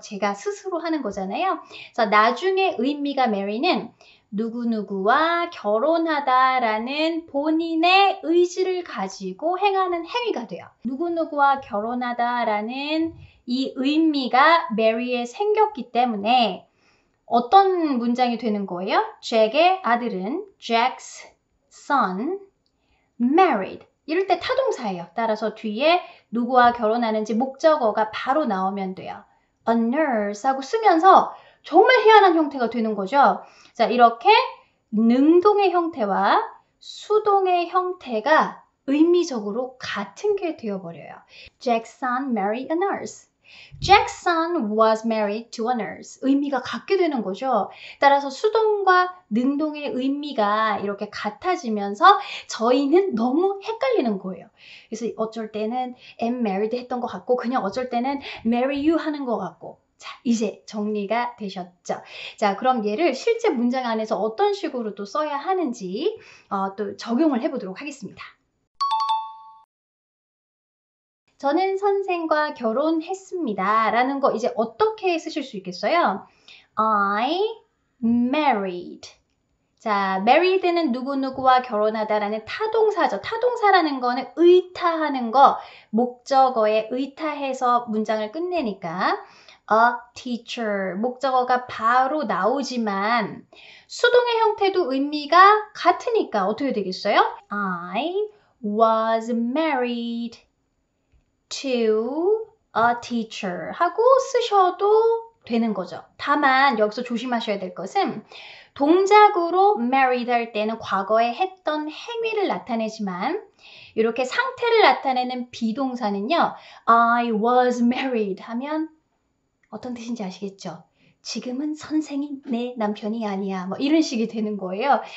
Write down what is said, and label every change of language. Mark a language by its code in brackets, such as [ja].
[ko] 제가 스스로 하는 거잖아요. 자, 나중에 의미가 marry는 누구누구와 결혼하다라는 본인의 의지를 가지고 행하는 행위가 돼요. 누구누구와 결혼하다라는 이 의미가 메리에 생겼기 때문에 어떤 문장이 되는 거예요? 잭의 아들은 [en] Jack's son married. [ko] 이럴 때 타동사예요. 따라서 뒤에 누구와 결혼하는지 목적어가 바로 나오면 돼요. A nurse 하고 쓰면서 정말 희한한 형태가 되는 거죠. 자, 이렇게 능동의 형태와 수동의 형태가 의미적으로 같은 게 되어버려요. [en] Jackson married a nurse. Jackson was married to a nurse. [ko] 의미가 같게 되는 거죠. 따라서 수동과 능동의 의미가 이렇게 같아지면서 저희는 너무 헷갈리는 거예요. 그래서 어쩔 때는 am married 했던 것 같고 그냥 어쩔 때는 marry you 하는 것 같고. 자, 이제 정리가 되셨죠? 자, 그럼 얘를 실제 문장 안에서 어떤 식으로 또 써야 하는지 또 적용을 해보도록 하겠습니다. 저는 선생과 결혼했습니다. 라는 거 이제 어떻게 쓰실 수 있겠어요? [en] I married. [ko] 자, married는 누구누구와 결혼하다라는 타동사죠. 타동사라는 거는 의타하는 거, 목적어에 의타해서 문장을 끝내니까 A teacher, 목적어가 바로 나오지만 수동의 형태도 의미가 같으니까 어떻게 되겠어요? [en] I was married to a teacher [ko] 하고 쓰셔도 되는 거죠. 다만 여기서 조심하셔야 될 것은 동작으로 married 할 때는 과거에 했던 행위를 나타내지만 이렇게 상태를 나타내는 비동사는요, [en] I was married [ko] 하면 어떤 뜻인지 아시겠죠? 지금은 선생이 내 남편이 아니야. 뭐 이런 식이 되는 거예요.